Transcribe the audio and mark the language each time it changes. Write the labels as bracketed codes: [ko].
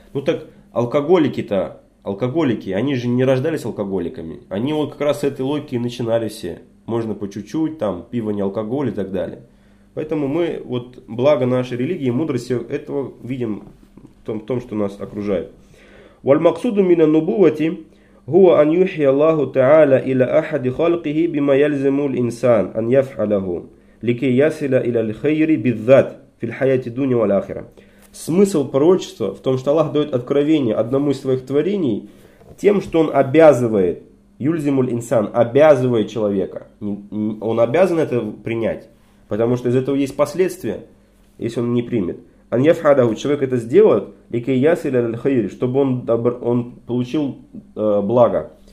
[ru] Ну так алкоголики-то, алкоголики, они же не рождались алкоголиками, они вот как раз с этой логики и начинали все, можно по чуть-чуть, там пиво не алкоголь и так далее. Поэтому мы вот благо нашей религии и мудрости этого видим в том, что нас окружает. [ar] والمقصود من النبوة هو أن يوحي الله تعالى إلى أحد خلقه بما يلزم الإنسان أن يفعله لكي يصل إلى الخير بالذات في الحياة الدنيا والآخرة. [ru] Смысл пророчества в том, что Аллах дает откровение одному из своих творений тем, что он обязывает [ar] юльзимуль инсан, [ru] обязывает человека. Он обязан это принять, потому что из этого есть последствия, если он не примет. Ан яфхадаху, человек это сделает, чтобы он получил благо.